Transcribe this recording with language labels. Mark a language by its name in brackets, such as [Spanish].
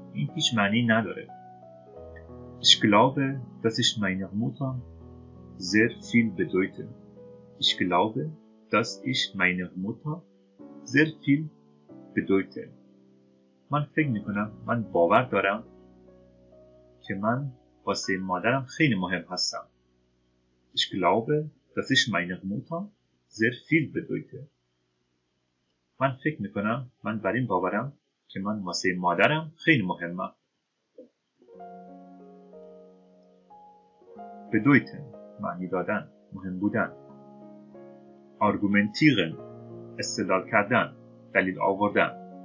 [Persian] این هیچ معنی نداره. [German] Ich glaube, dass ich meiner Mutter sehr viel bedeute. Ich glaube, dass ich meiner Mutter sehr viel bedeute. [Persian] من فکر میکنم، من باور دارم که من واسه مادرم خیلی مهم هستم. [German] Ich glaube, dass ich meiner Mutter sehr viel bedeute. [Persian] من فکر میکنم، من بر این باورم که من واسه مادرم خیلی مهمم. Bedeuten, معنی دادن، مهم بودن. Argumentieren, استدلال کردن، دلیل آوردن.